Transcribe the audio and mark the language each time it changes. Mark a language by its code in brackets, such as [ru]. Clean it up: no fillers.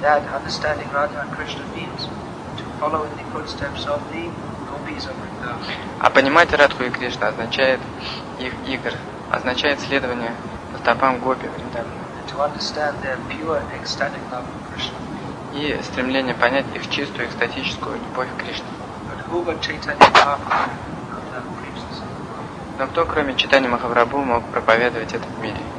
[en] That understanding Radha and Krishna means to follow in the footsteps of the gopis of Vrindavan. [ru] А понимать Радху и Кришну означает их игр, означает следование по стопам гопи Вриндавана. [en] To understand their pure ecstatic love for Krishna. [ru] И стремление понять их чистую экстатическую любовь к Кришне. [en] But who but Chaitanya Mahaprabhu could have preached this? [ru] Но кто, кроме Чайтаньи Махапрабху, мог проповедовать это в мире?